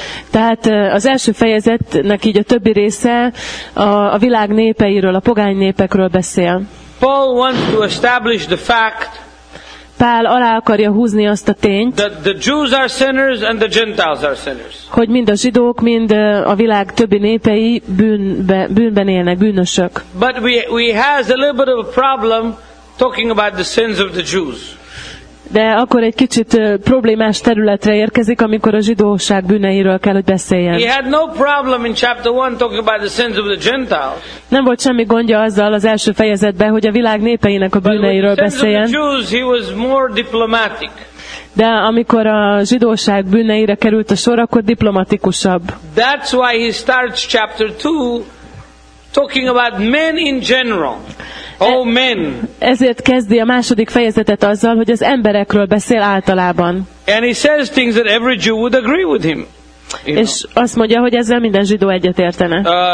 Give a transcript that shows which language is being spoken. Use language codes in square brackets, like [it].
[hu] Tehát az első fejezetnek így a többi része a világ népeiről, a pogány népekről beszél. [en] Paul wants to establish the fact. [hu] Pál alá akarja húzni azt a tényt, [en] that the Jews are sinners and the Gentiles are sinners. [hu] Hogy mind a zsidók, mind a világ többi népei bűnben élnek, bűnösök. [en] But we have a little bit of a problem talking about the sins of the Jews. [hu] De akkor egy kicsit problémás területre érkezik, amikor a zsidóság bűneiről kell, hogy beszéljen. [en] He had no problem in chapter 1 talking about the sins of the Gentiles. [hu] Nem volt semmi gondja azzal az első fejezetben, hogy a világ népeinek a bűneiről beszéljen. [en] But with the sins of the Jews, he was more diplomatic. [hu] De amikor a zsidóság bűneire került a sor, akkor diplomatikusabb. [en] That's why he starts chapter 2 talking about men in general. Oh men. [hu] Ezért kezdi a második fejezetet azzal, hogy az emberekről beszél általában. [en] And he says things that every Jew would agree with him. [hu] És azt mondja, hogy ezzel minden zsidó egyetértene.